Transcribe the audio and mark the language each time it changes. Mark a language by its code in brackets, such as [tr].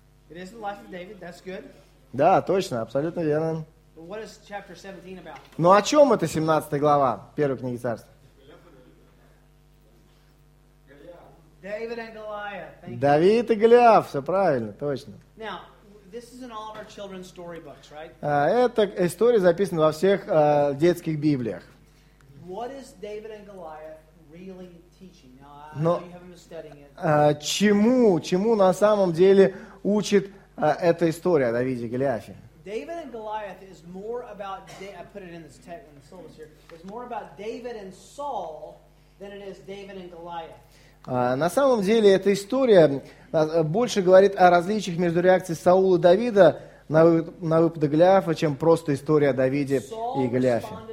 [en] It is the life of David. That's good. [ru] Да, точно, абсолютно верно. [en] But what is chapter 17 about? [ru] Ну о чем это 17 глава первой книги Царств? [en] David and Goliath. Thank you. [ru] Давид и Голиаф, все правильно, точно. [en] Now, this is in all of our children's storybooks, right? [ru] Эта история записана во всех детских библиях. [en] What is David and Goliath really teaching? Now, [ru] Но, [en] I know you haven't been studying it. [ru] Чему на самом деле учит эта история о Давиде и Голиафе? [en] David and Goliath is more about I put it in this text in the syllabus here. It's more about David and Saul than it is David and Goliath. [ru] На самом деле эта история больше говорит о различиях между реакцией Саула и Давида на выпады Голиафа, чем просто история о Давиде и Голиафе.